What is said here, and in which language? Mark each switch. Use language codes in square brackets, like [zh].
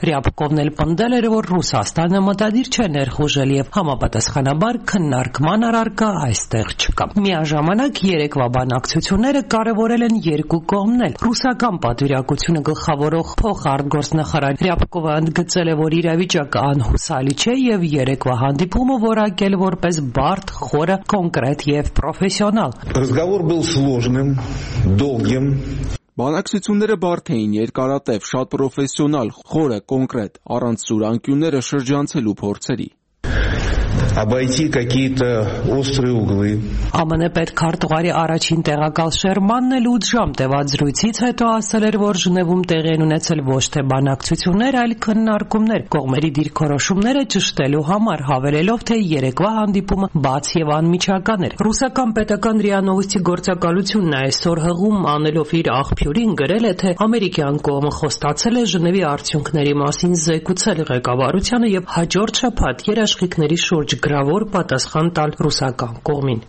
[hy] Ռյաբկովն էլ պնդել էր, որ Ռուսաստանը մտադիր չէ ներխուժել և համապատասխանաբար քննարկման առարկա այստեղ չկա։ Միաժամանակ երեկվա բանակցությունները կարևորել են երկու կողմն էլ։ Ռուսական պատվիրակությունը գլխավորող փոխարտգործնախարար Ռյաբկովը ընդգծել է, որ իրավիճակը անհուսալի չէ, և երեկվա հանդիպումը որակել որպես բարդ, խորը, կոնկրետ և պրոֆեսիոնալ։ Բանակցությունները բարդ էին, երկարատև, շատ պրոֆեսիոնալ, խորը, կոնկրետ, առանց սուրանկյունները շրջանցելու փորձերի։ [ru] Обойти какие-то острые углы. [hy] ԱՄՆ-ի պետ քարտուղարի առաջին տեղակալ Շերմանն էլ 8 ժամ տևած զրույցից հետո ասել էր, որ Ժնևում տեղի են ունեցել ոչ թե բանակցություններ, այլ քննարկումներ կողմերի դիրքորոշումները ճշտելու համար, հավելելով, թե երեկվա հանդիպումը բաց և անմիջական էր։ Ռուսական պետական ՌԻԱ նովոստի գործակալությունն այսօր հղում անելով իր աղբյուրին գրել է, թե ամերիկյան կողմը խոստացել է Ժնևի արդյունքների մասին զեկուցել ղեկավարությանը և հաջորդ շաբաթ երաշխիքների շուրջ գրավոր պատասխան տալ ռուսական կողմին։